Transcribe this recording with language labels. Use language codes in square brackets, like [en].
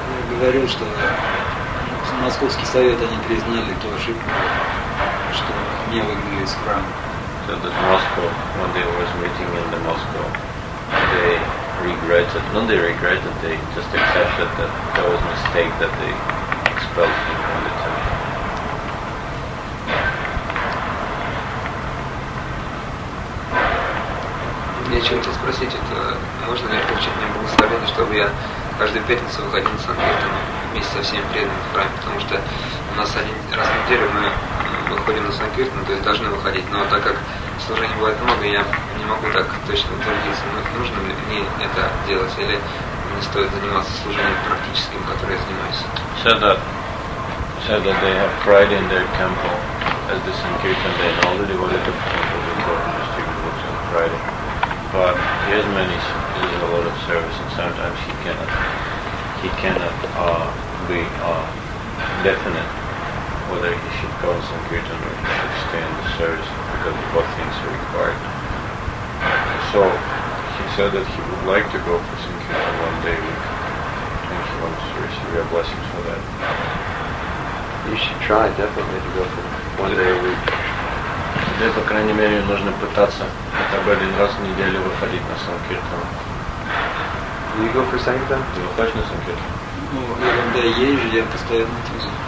[ru] Я говорил, что Московский совет они признали ту ошибку, что меня выгнали из храма. [en] So that Moscow, when they was meeting in the Moscow, they regretted. Not they regretted, they just accepted that there was a mistake that they expelled me from the temple. [ru] Я чего-то спросить, это можно ли получить мне благословение, чтобы я каждую пятницу выходил на санкиртан вместе со всеми преданными в храме, потому что у нас один раз в неделю мы выходим на санкиртан, то есть должны выходить, но так как служений бывает много, я не могу так точно утвердиться, но нужно ли мне это делать, или не стоит заниматься служением практическим, которым я занимаюсь. [en] So that they have pride in their temple as the санкиртан, they have all the devoted temple before the distributed on Friday. But he has many, he has a lot of service, and sometimes he cannot be definite whether he should go to Sankirtan or he should stay in the service, because both things are required. So he said that he would like to go for Sankirtan one day a week, and he wants to receive your blessings for that. You should try definitely to go for one day a week. [ru] Тебе, по крайней мере, нужно пытаться хотя бы один раз в неделю выходить на санкиртан. [en] You go for sankirtan? [ru] Ты выходишь на санкиртан? Ну, я когда езжу, я постоянно там же.